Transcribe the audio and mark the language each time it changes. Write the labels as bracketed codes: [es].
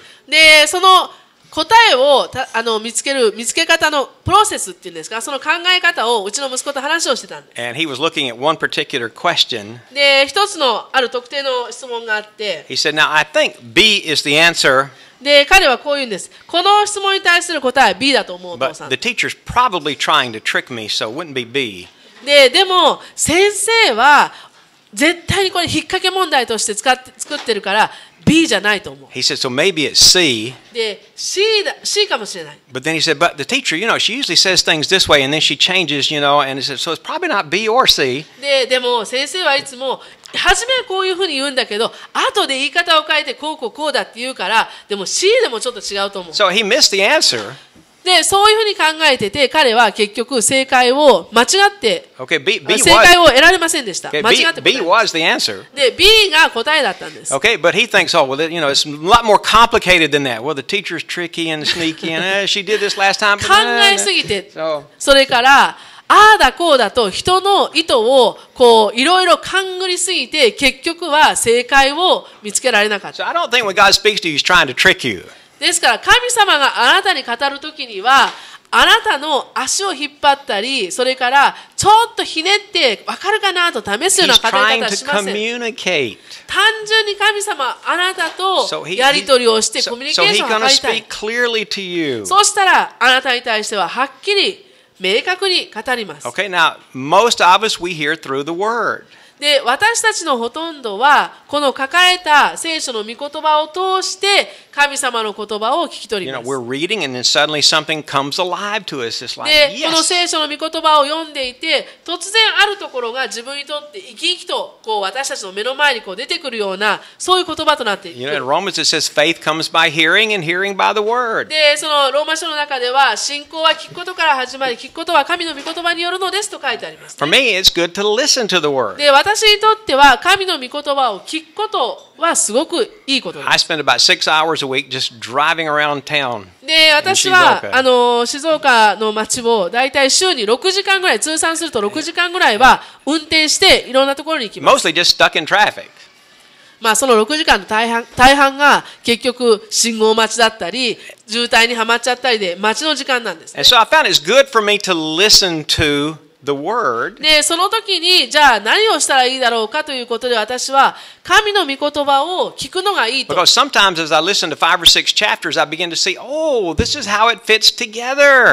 [ja] でその答えをたあの見つける見つけ方のプロセスっていうんですか、その考え方をうちの息子と話をしてたんです。 [en] And he was looking at one particular question. [ja] で一つのある特定の質問があって、 [en] He said, Now, I think B is the answer. [ja] で彼はこう言うんです。この質問に対する答えは B だと思う、お父さん。 [en] But the teacher's probably trying to trick me, so it wouldn't be B. [ja] でも先生は絶対にこれ引っ掛け問題として作ってるから B じゃないと思う。 [en] He said, so maybe it's C. [ja] で、C だ、C かもしれない。 [en] But then he said, but the teacher, you know, she usually says things this way, and then she changes, you know, and he said, so it's probably not B or C. [ja] でも先生はいつも初めはこういうふうに言うんだけど、後で言い方を変えてこうこうこうだって言うから、でも C でもちょっと違うと思う。 [en] So he missed the answer. [ja] で、そういうふうに考えてて、彼は結局正解を間違って、 [en] okay, B, B [ja] 正解を得られませんでした。 [en] Okay, B, [ja] 間違って答え。 [en] B was the answer. [ja] で、B が答えだったんです。 [en] Okay, but he thinks, oh, well, you know, it's a lot more complicated than that. Well, the teacher's tricky and sneaky, and she did this last time. [ja] 考えすぎて、それから、ああだこうだと人の意図をこういろいろ勘ぐりすぎて結局は正解を見つけられなかった。 [en] So I don't think when God speaks to you, he's trying to trick you. [ja] ですから神様があなたに語るときにはあなたの足を引っ張ったりそれからちょっとひねって分かるかなと試すような語り方はしません。単純に神様あなたとやり取りをしてコミュニケーションを図りたい。そうしたらあなたに対してははっきり明確に語ります。 [en] Okay, now, most of us, we hear through the word. [ja] で私たちのほとんどはこの書かれた聖書の御言葉を通して神様の言葉を聞き取ります。 [en] You know, we're reading and then suddenly something comes alive to us. It's like, yes! [ja] この聖書の御言葉を読んでいて突然あるところが自分にとって生き生きとこう私たちの目の前にこう出てくるようなそういう言葉となっていく。 [en] You know, in Romans it says faith comes by hearing and hearing by the word. [ja] でそのローマ書の中では信仰は聞くことから始まり聞くことは神の御言葉によるのですと書いてあります、ね、 [en] For me, it's good to listen to the word. [ja] で私にとっては神の御言葉を聞くことはすごくいいことです。 [en] I spend about 6 hours a week just driving around town. [ja] で私は静岡の街をだいたい週に6時間ぐらい通算すると6時間ぐらいは運転していろんなところに行きます。 [en] Mostly just stuck in traffic. [ja] まあその6時間の大半が結局信号待ちだったり渋滞にはまっちゃったりで待ちの時間なんですね。 [en] And so I found it's good for me to listen toThe word. [ja] でその時にじゃあ何をしたらいいだろうかということで私は神の御言葉を聞くのがいいと。 [en] Because sometimes as I listen to 5 or 6 chapters, I begin to see, oh, this is how it fits together.